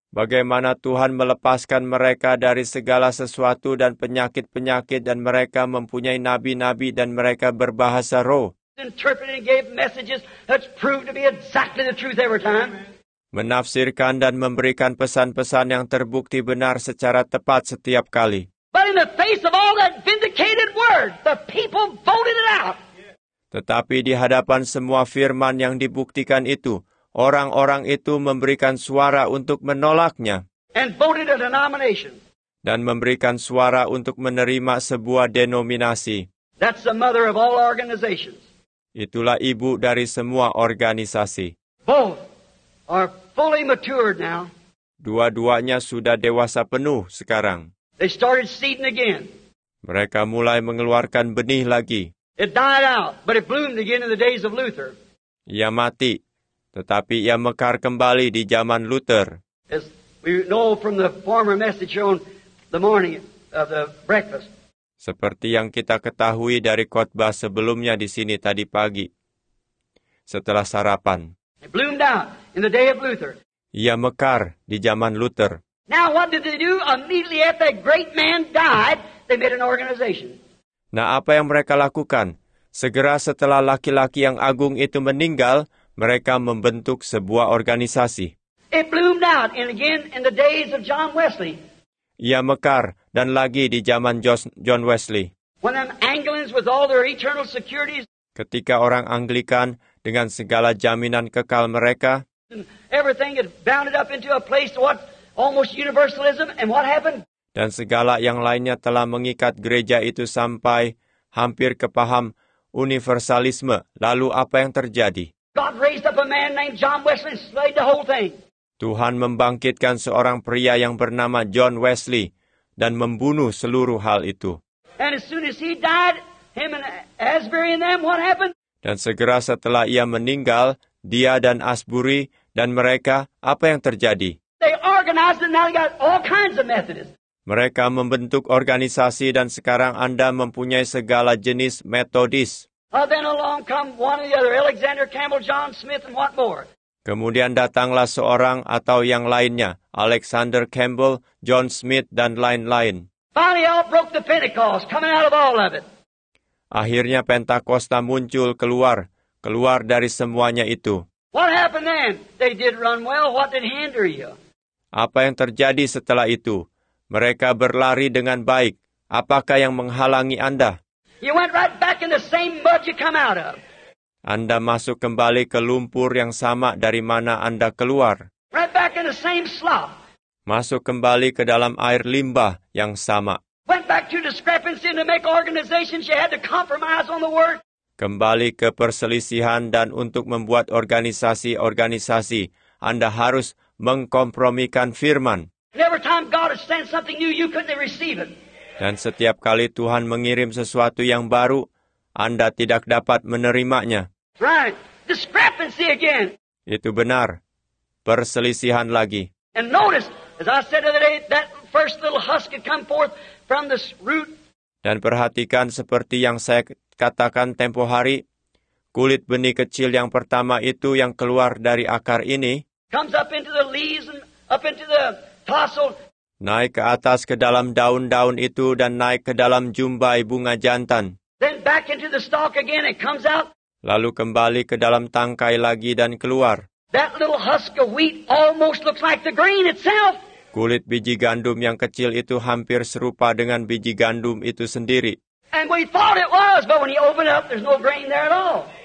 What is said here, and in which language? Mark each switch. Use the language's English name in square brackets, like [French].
[Indonesian] Bagaimana Tuhan melepaskan mereka dari segala sesuatu dan penyakit-penyakit dan mereka mempunyai nabi-nabi dan mereka berbahasa roh. [English] Interpreting gave messages that proved to be exactly the truth every time. [Indonesian] Menafsirkan dan memberikan pesan-pesan yang terbukti benar secara tepat setiap kali. [English] But in the face of all that vindicated word, the people voted it out. [Indonesian] Tetapi di hadapan semua firman yang dibuktikan itu, orang-orang itu memberikan suara untuk menolaknya. [English] And voted a denomination. [Indonesian] Dan memberikan suara untuk menerima sebuah denominasi. [English] That's the mother of all organizations. [Indonesian] Itulah ibu dari semua organisasi. [English] Both are fully matured now. [Indonesian] Dua-duanya sudah dewasa penuh sekarang. [English] They started seeding again. [Indonesian] Mereka mulai mengeluarkan benih lagi. [English] It died out, but it bloomed again in the days of Luther. [Indonesian] Ia mati. Tetapi ia mekar kembali di zaman Luther. [English] As we know from the former message on the morning of the breakfast. [Indonesian] Seperti yang kita ketahui dari khotbah sebelumnya di sini tadi pagi. Setelah sarapan. [English] It bloomed out in the day of Luther. [Indonesian] Ia mekar di zaman Luther. [English] Now what did they do? Immediately after that great man died, they made an organization. [Indonesian] Nah, apa yang mereka lakukan? Segera setelah laki-laki yang agung itu meninggal, mereka membentuk sebuah organisasi. [English] It bloomed out and again in the days of John Wesley. [Indonesian] Ia mekar dan lagi di zaman John Wesley. [English] When them Anglicans with all their eternal securities. [Indonesian] Ketika orang Anglikan dengan segala jaminan kekal mereka. [English] Everything had bounded up into a place to what almost universalism and what happened? [Indonesian] Dan segala yang lainnya telah mengikat gereja itu sampai hampir ke paham universalisme. Lalu apa yang terjadi? [English] God raised up a man named John Wesley and slayed the whole thing. [Indonesian] Tuhan membangkitkan seorang pria yang bernama John Wesley dan membunuh seluruh hal itu. [English] And as soon as he died, him and Asbury and them, what happened? [Indonesian] Dan segera setelah ia meninggal, dia dan Asbury dan mereka, apa yang terjadi? [English] They organized and now they got all kinds of Methodists. [Indonesian] Mereka membentuk organisasi dan sekarang Anda mempunyai segala jenis metodis. [English] Then along come one or the other, Alexander Campbell, John Smith, and what more? [Indonesian] Kemudian datanglah seorang atau yang lainnya, Alexander Campbell, John Smith, dan lain-lain. [English] Finally, all broke the Pentecost, coming out of all of it. [Indonesian] Akhirnya Pentakosta muncul keluar dari semuanya itu. [English] What happened then? They did run well. What did hinder you? [Indonesian] Apa yang terjadi setelah itu? Mereka berlari dengan baik. Apakah yang menghalangi Anda? [English] You went right back in the same mud you come out of. [Indonesian] Anda masuk kembali ke lumpur yang sama dari mana Anda keluar. [English] Right back in the same slough. [Indonesian] Masuk kembali ke dalam air limbah yang sama. [English] Went back to discrepancy and to make organizations you had to compromise on the word. [Indonesian] Kembali ke perselisihan dan untuk membuat organisasi-organisasi, Anda harus mengkompromikan firman. [English] And every time God has sent something new, you couldn't receive it. [Indonesian] Dan setiap kali Tuhan mengirim sesuatu yang baru, Anda tidak dapat menerimanya. [English] Right. Discrepancy again. [Indonesian] Itu benar. Perselisihan lagi. [English] And notice, as I said the other day, that first little husk had come forth from this root. [Indonesian] Dan perhatikan seperti yang saya katakan tempo hari, kulit benih kecil yang pertama itu yang keluar dari akar ini. [English] Comes up into the leaves and up into the tassel. [Indonesian] Naik ke atas ke dalam daun-daun itu dan naik ke dalam jumbai bunga jantan. [English] Then back into the stalk again and comes out. [Indonesian] Lalu kembali ke dalam tangkai lagi dan keluar. [English] That little husk of wheat almost looks like the grain itself. [Indonesian] Kulit biji gandum yang kecil itu hampir serupa dengan biji gandum itu sendiri. [English] And we thought it was, but when you open up, there's no grain there at all.